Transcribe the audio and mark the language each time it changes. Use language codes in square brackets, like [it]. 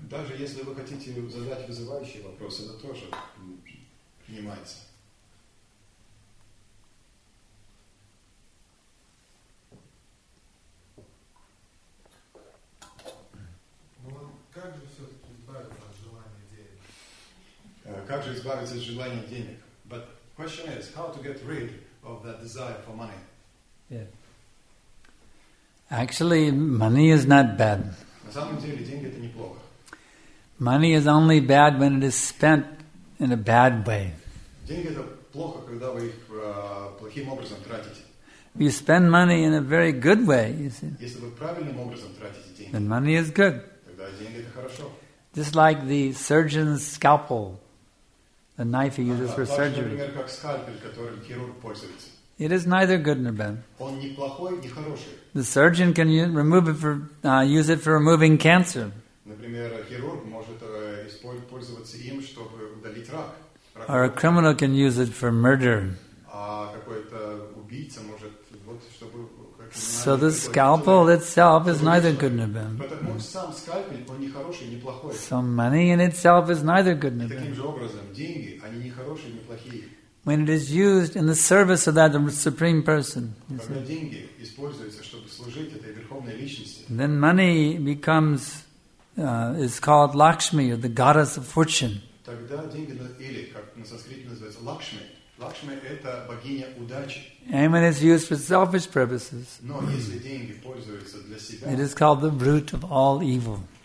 [en] But question is, how to get rid of that desire for money? Yeah. Actually, money is not bad. [ru] На самом деле, деньги — это неплохо. [en] Money is only bad when it is spent in a bad way. [ru] Деньги — это плохо, когда вы их плохим образом тратите. [en] If you spend money in a very good way, you see, [ru] если вы правильным образом тратите деньги, [en] then money is good. [ru] Тогда деньги — это хорошо. [en] Just like the surgeon's scalpel, the knife he uses for surgery. [ru] Например, как скальпель, которым хирург пользуется. [en] It is neither good nor bad. [ru] Он не плохой, не хороший. [en] The surgeon can use it for removing cancer. [ru] Например, хирург может пользоваться им, чтобы удалить рак. [en] Or a criminal can use it for murder. [ru] А какой-то убийца может вот чтобы. [en] So the scalpel itself is neither good nor bad. [ru] Сам скальпель, он не хороший, не плохой. [en] So money in itself is neither good nor bad. [ru] Таким же образом, деньги, они не хорошие, не плохие. [en] When it is used in the service of that Supreme Person, then money becomes, is called Lakshmi, or the goddess of fortune. And when it is used for selfish purposes, it is called the root of all evil.